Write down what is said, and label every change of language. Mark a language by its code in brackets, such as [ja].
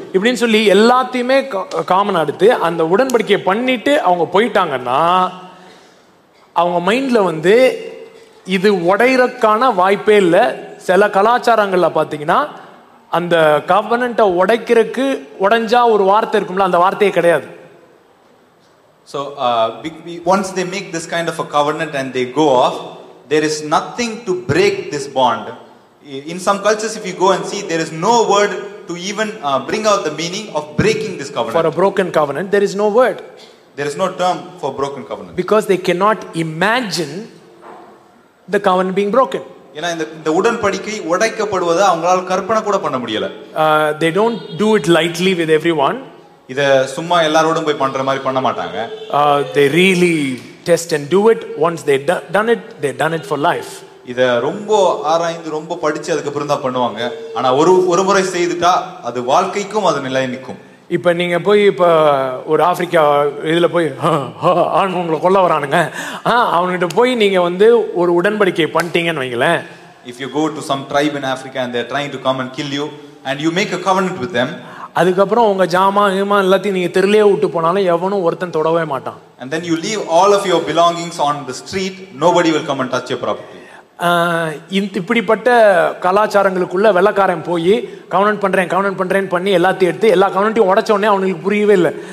[ta] இப்படின்னு சொல்லி எல்லாத்தையுமே காமன் எடுத்து அந்த உடன்படிக்கையை பண்ணிட்டு அவங்க போயிட்டாங்கன்னா அவங்க மைண்ட்ல வந்து இது உடையறக்கான வாய்ப்பே இல்லை. சில கலாச்சாரங்கள்ல பாத்தீங்கன்னா அந்த கவனண்ட உடைக்கிறதுக்கு உடைஞ்சா ஒரு வார்த்தை இருக்கும்ல, அந்த வார்த்தையே கிடையாது. [en] So once they make this kind of a covenant and they go off, there is nothing to break this bond. In some cultures, if you go and see, there is no word to even bring out the meaning of breaking this covenant. For a broken covenant, there is no word. There is no term for broken covenant. Because they cannot imagine the covenant being broken. [ta] ஏனா இந்த உடன் படிக்கை உடைக்கப்படுவதை அவங்களால கற்பனை கூட பண்ண முடியல. [en] They don't do it lightly with everyone. [ta] இத சும்மா எல்லாரோடும் போய் பண்ற மாதிரி பண்ண மாட்டாங்க. [en] They really test and do it. Once they done it, they done it for life. [ta] இத ரொம்ப ஆராய்ந்து ரொம்ப படிச்சு அதுக்கு அப்புறம் தான் பண்ணுவாங்க. ஆனா ஒரு ஒரு முறை செய்துட்டா அது வாழ்க்கைக்கும் அது நிலை நிற்கும். இப்ப நீங்க போய் இப்ப ஒரு ஆப்பிரிக்கா இதுல போய் ஆண் உங்களை கொல்ல வரானுங்க, அவன்கிட்ட போய் நீங்க வந்து ஒரு உடன்படிக்கை பண்ணிட்டீங்கன்னு வைங்களேன். [en] If you go to some tribe in Africa and they're trying to come and kill you and you make a covenant with them, [ta] அதுக்கப்புறம் உங்க ஜாமா ஹிமா எல்லாத்தையும் நீங்க தெருலயே விட்டு போனாலும் எவனும் ஒருத்தன் தொடவே மாட்டான். [en] And then you leave all of your belongings on the street, nobody will come and touch your property. [ta] இப்படிப்பட்ட கலாச்சாரங்களுக்குள்ள வெள்ளக்காரன் போய் கவனன் பண்றேன் கவனன் பண்றேன் பண்ணி எல்லாத்தையும் எடுத்து எல்லா கவனட்டையும் உடைச்ச உடனே அவனுக்கு புரியவே இல்லை.